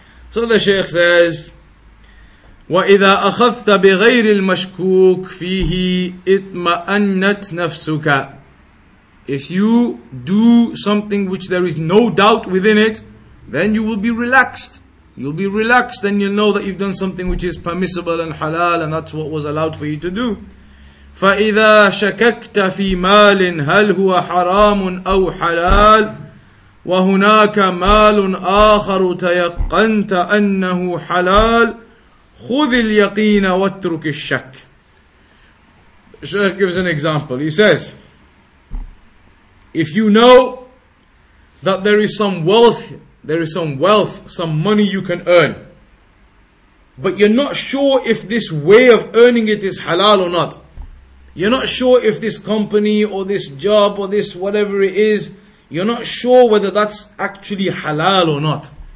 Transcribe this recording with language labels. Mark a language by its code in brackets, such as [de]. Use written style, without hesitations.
[en] So the Shaykh says, [ar] وَإِذَا أَخَذْتَ بِغَيْرِ الْمَشْكُوكِ فِيهِ اِطْمَأَنَّتْ نَفْسُكَ. [en] If you do something which there is no doubt within it, then you will be relaxed. You'll be relaxed and you'll know that you've done something which is permissible and halal and that's what was allowed for you to do. [ar] فَإِذَا شَكَكْتَ فِي مَالٍ هَلْ هُوَ حَرَامٌ أَوْ حَلَالٌ وَهُنَاكَ مَالٌ آخَرُ تَيَقَّنْتَ أَنَّهُ حَلَالٌ خذ اليقين واترك الشك. [en] Sheikh gives an example. He says, if you know that there is some wealth, some money you can earn, but you're not sure if this way of earning it is halal or not, you're not sure if this company or this job or this whatever it is, you're not sure whether that's actually halal or not.